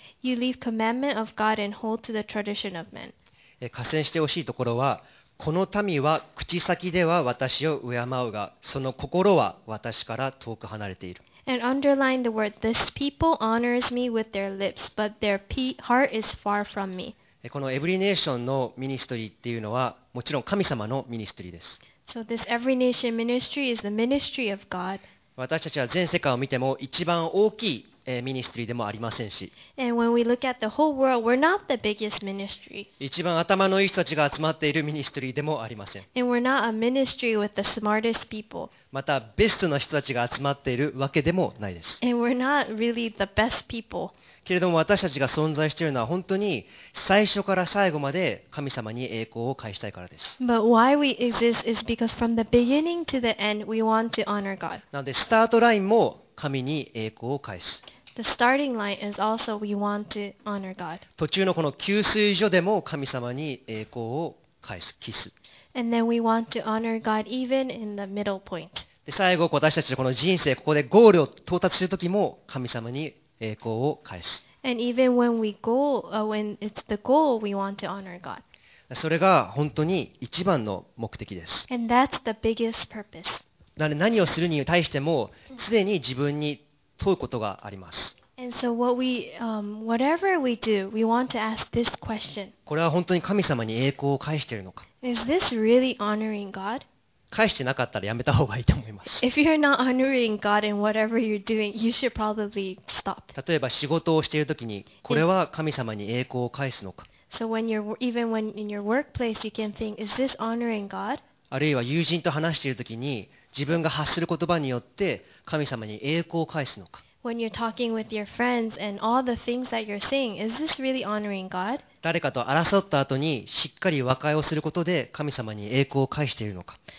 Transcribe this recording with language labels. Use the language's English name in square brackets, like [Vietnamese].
[English] You leave commandment of God and hold to the tradition of men. [Japanese] 加点してほしいところは、この民は口先では私を敬うが、その心は私から遠く離れている。 [English] And underline the word, this people honors me with their lips, but their heart is far from me. [Japanese] このエブリネーションのミニストリーっていうのはもちろん神様のミニストリーです。 [English] So this every nation ministry is the ministry of God. [Japanese] 私たちは全世界を見ても一番大きいミニストリーでもありませんし。 [English] And when we look at the whole world, we're not the biggest ministry. [Japanese] 一番頭のいい人たちが集まっているミニストリーでもありません。 [English] And we're not a ministry with the smartest people. [Japanese] またベストな人たちが集まっているわけでもないです。 [English] And we're not really the best people. [Japanese] けれども私たちが存在しているのは本当に最初から最後まで神様に栄光を返したいからです。 [English] But why we exist is because from the beginning to the end we want to honor God. [Japanese] なのでスタートラインも神に栄光を返す。 [English] The starting line is also we want to honor God. [Japanese] 途中のこの給水所でも神様に栄光を返す、キス。 [English] And then we want to honor God even in the middle point. [Japanese] で最後私たちのこの人生ここでゴールを到達するときも神様に栄光を返す。 [English] And even when we go, when it's the goal, we want to honor God. [Japanese] それが本当に一番の目的です。 [English] And that's the biggest purpose. [Japanese] なので何をするに対しても常に自分に問うことがあります。 [English] And so what we, whatever we do, we want to ask this question. [Japanese] これは本当に神様に栄光を返しているのか。 [English] Is this really honoring God? [Japanese] 返してなかったらやめた方がいいと思います。 [English] If you're not honoring God in whatever you're doing, you should probably stop. [Japanese] 例えば仕事をしているときに、これは神様に栄光を返すのか。 [English] So when you're even when in your workplace, you can think, is this honoring God? [Japanese] あるいは友人と話しているときに、自分が発する言葉によって神様に栄光を返すのか。 [English] When you're talking with your friends and all the things that you're saying, is this really honoring God? [Japanese] 誰かと争った後にしっかり和解をすることで神様に栄光を返しているのか。